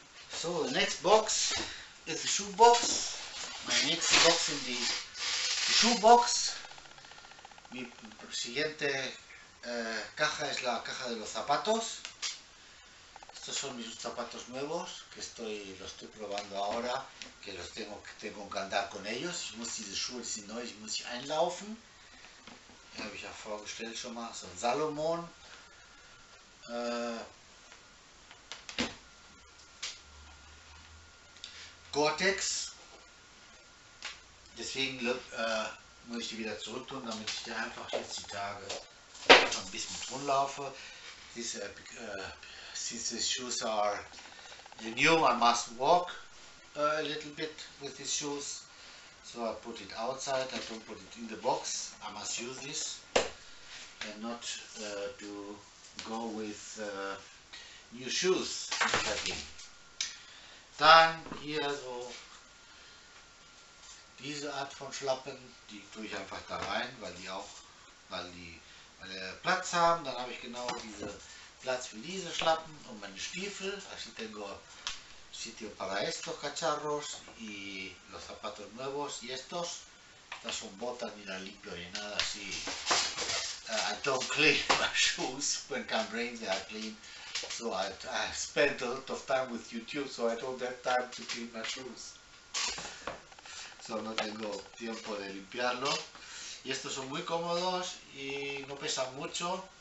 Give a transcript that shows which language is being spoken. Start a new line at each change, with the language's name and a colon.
English: So the next box is the shoe box. My next box in the shoe box.
Spanish: Mi siguiente caja es la caja de los zapatos. Estos son mis zapatos nuevos que los estoy probando ahora, que los tengo que andar con ellos.
German: Ich muss diese Schuhe, die sind neu, ich muss sie einlaufen. Den habe ich ja vorgestellt schon mal, so ein Salomon. Gore-Tex, deswegen muss ich die wieder zurück tun, damit ich da einfach jetzt die Tage ein bisschen mit rumlaufe.
English: Since these shoes are new, I must walk a little bit with these shoes. So I put it outside, I don't put it in the box. I must use this and not to go with new shoes.
German: Dann hier so diese Art von Schlappen, die tue ich einfach da rein, weil die Platz haben. Dann habe ich genau diese Platz für diese Schlappen und meine Stiefel.
Spanish: Así tengo sitio para estos cacharros y los zapatos nuevos y estos. Estas son botas, ni las limpio ni nada, así.
English: I don't clean my shoes when it rains, they are clean. So I spent a lot of time with YouTube, so I don't have time to clean my shoes.
Spanish: esto no tengo tiempo de limpiarlo. Y estos son muy cómodos y no pesan mucho.